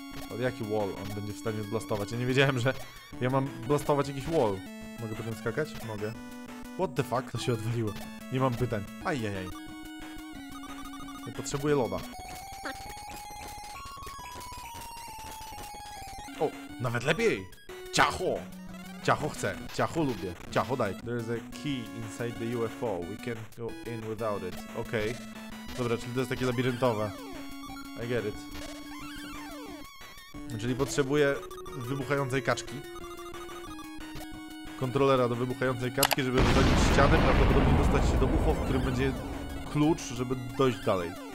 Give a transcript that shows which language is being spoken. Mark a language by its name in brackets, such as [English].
[Polish] Ale jaki wall on będzie w stanie zblastować? Ja nie wiedziałem, że ja mam blastować jakiś wall. Mogę potem skakać? Mogę. [English] What the fuck? [Polish] To się odwaliło. Nie mam pytań. Ajajaj. Nie potrzebuję loda. O, nawet lepiej. Ciacho. Ciacho chcę, ciacho lubię, ciacho daj. [English] There's a key inside the UFO, we can't go in without it. Okej. [Polish] Dobra, czyli to jest takie labiryntowe. [English] I get it. [Polish] Czyli potrzebuję wybuchającej kaczki. Kontrolera do wybuchającej kaczki, żeby wybronić ściany, prawdopodobnie dostać się do ucho, w którym będzie klucz, żeby dojść dalej.